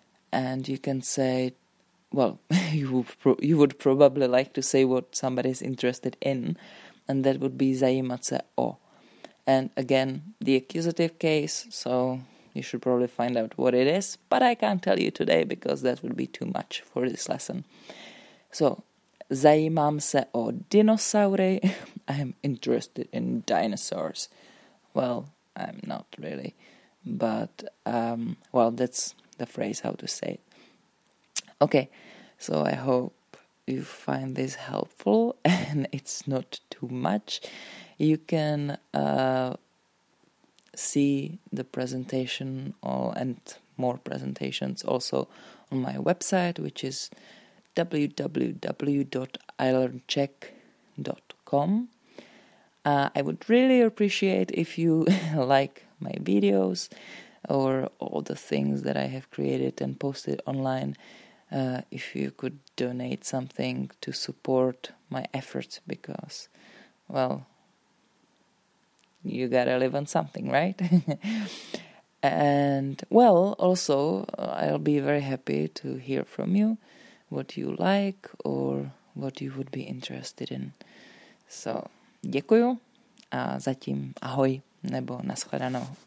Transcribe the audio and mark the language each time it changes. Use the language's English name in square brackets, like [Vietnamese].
[English] And you can say, well, you would probably like to say what somebody is interested in, and that would be [Czech] zajímat se o. [English] And again, the accusative case, so you should probably find out what it is, but I can't tell you today because that would be too much for this lesson. [Czech] So, zajímám se o dinosaury. [English] I am interested in dinosaurs. Well, I'm not really, but, well, that's the phrase how to say it. Okay, so I hope you find this helpful and it's not too much. You can see the presentation all and more presentations also on my website, which is www.ilearncheck.com. I would really appreciate if you like my videos or all the things that I have created and posted online, if you could donate something to support my efforts, because, well, you gotta live on something, right? And, well, also, I'll be very happy to hear from you what you like or what you would be interested in. [Czech] So, děkuju a zatím ahoj nebo naschledanou.